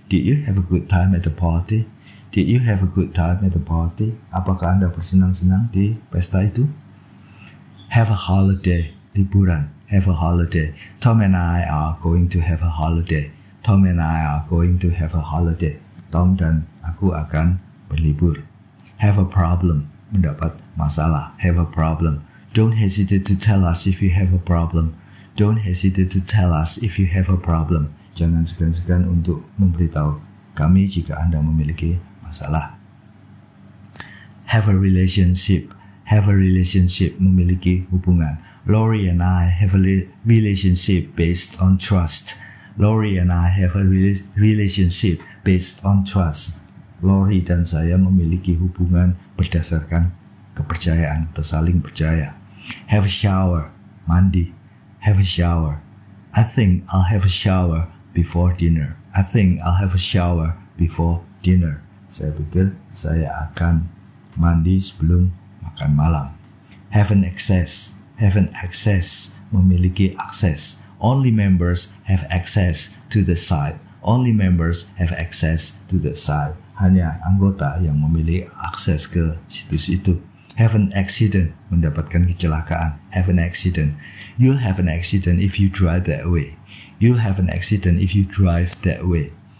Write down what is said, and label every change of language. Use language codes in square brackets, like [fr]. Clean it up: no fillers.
[en] Did you have a good time at the party? Did you have a good time at the party? [id] Apakah Anda bersenang-senang di pesta itu? [en] Have a holiday. [id] Liburan. Have a holiday. [en] Tom and I are going to have a holiday. Tom and I are going to have a holiday. [id] Tom dan aku akan berlibur. [en] Have a problem. [id] Mendapat masalah. [en] Have a problem. Don't hesitate to tell us if you have a problem. Don't hesitate to tell us if you have a problem. [id] Jangan segan-segan untuk memberitahu kami jika Anda memiliki masalah. [en] Have a relationship. Have a relationship. [id] Memiliki hubungan. [en] Laurie and I have a relationship based on trust. Laurie and I have a relationship based on trust. [id] Laurie dan saya memiliki hubungan berdasarkan kepercayaan atau saling percaya. [en] Have a shower. [id] Mandi. [en] Have a shower. I think I'll have a shower before dinner. I think I'll have a shower before dinner. [id] Saya pikir saya akan mandi sebelum makan malam. [en] Have an access. Have an access. [id] Memiliki akses. [en] Only members have access to the site. Only members have access to the site. [id] Hanya anggota yang memiliki akses ke situs itu. [en] Have an accident. [id] Mendapatkan kecelakaan. [en] Have an accident. You'll have an accident if you drive that way. You'll have an accident if you drive that way.